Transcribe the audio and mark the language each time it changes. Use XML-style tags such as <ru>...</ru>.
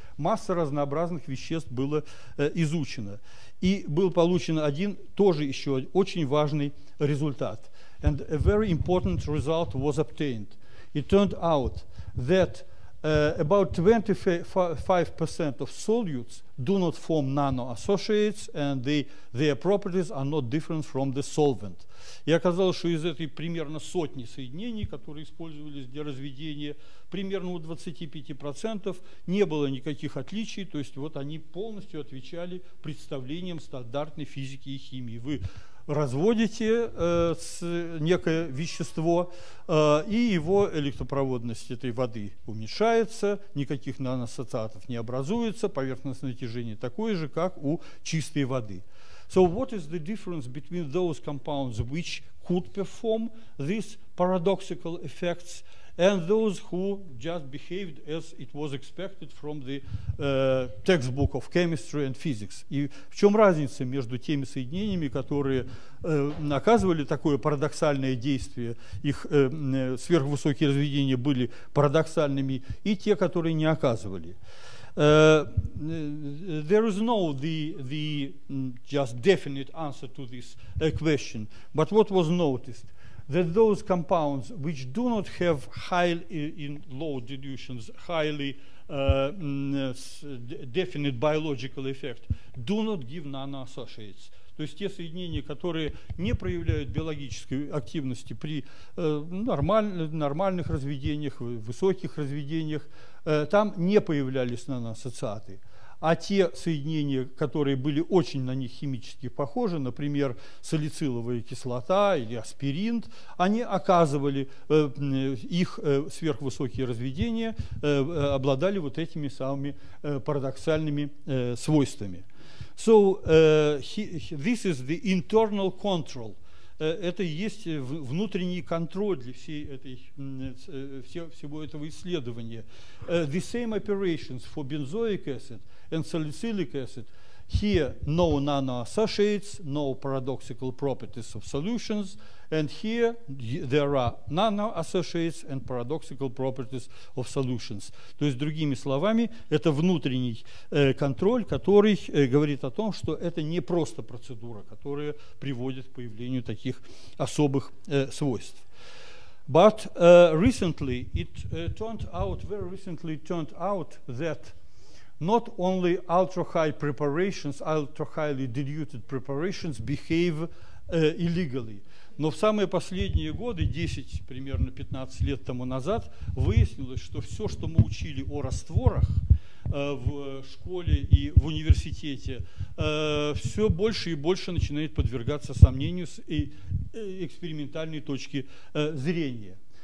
<ru>Масса разнообразных веществ было изучено. И был получен один, тоже еще очень важный результат.</ru> <en>And a very important result was obtained. It turned out that about 25% of solutes do not form nano-associates, and their properties are not different from the solvent.</en> <ru>И оказалось, что из этой примерно сотни соединений, которые использовались для разведения, примерно у 25% не было никаких отличий, то есть вот они полностью отвечали представлениям стандартной физики и химии. Вы разводите некое вещество, и его электропроводность этой воды уменьшается, никаких наноассоциатов не образуется, поверхностное натяжение такое же, как у чистой воды.</ru> <en>So what is the difference between those compounds which could perform these paradoxical effects and those who just behaved as it was expected from the textbook of chemistry and physics?</en> <ru>И в чем разница между теми соединениями, которые оказывали такое парадоксальное действие, их сверхвысокие разведения были парадоксальными, и те, которые не оказывали?</ru> <en>There is no the just definite answer to this question, but what was noticed that those compounds which do not have high in low dilutions highly definite biological effect do not give nano-associates.</en> <ru>То есть те соединения, которые не проявляют биологической активности при нормальных разведениях, высоких разведениях, там не появлялись наноассоциаты. А те соединения, которые были очень на них химически похожи, например, салициловая кислота или аспирин, они оказывали их сверхвысокие разведения, обладали вот этими самыми парадоксальными свойствами.</ru> <en>So this is the internal control.</en> <ru>Это и есть внутренний контроль для всей этой, всего этого исследования.</ru> <en>The same operations for benzoic acid and salicylic acid. Here no nano-associates, no paradoxical properties of solutions, and here there are nano-associates and paradoxical properties of solutions.</en> <ru>То есть, другими словами, это внутренний контроль, который говорит о том, что это не просто процедура, которая приводит к появлению таких особых свойств.</ru> <en>But recently, it turned out that not only ultra-high preparations, ultra-highly diluted preparations behave illegally.</en> <ru>Но в самые последние годы, 10, примерно 15 лет тому назад, выяснилось, что все, что мы учили о растворах в школе и в университете, все больше и больше начинает подвергаться сомнению с экспериментальной точки зрения.</ru>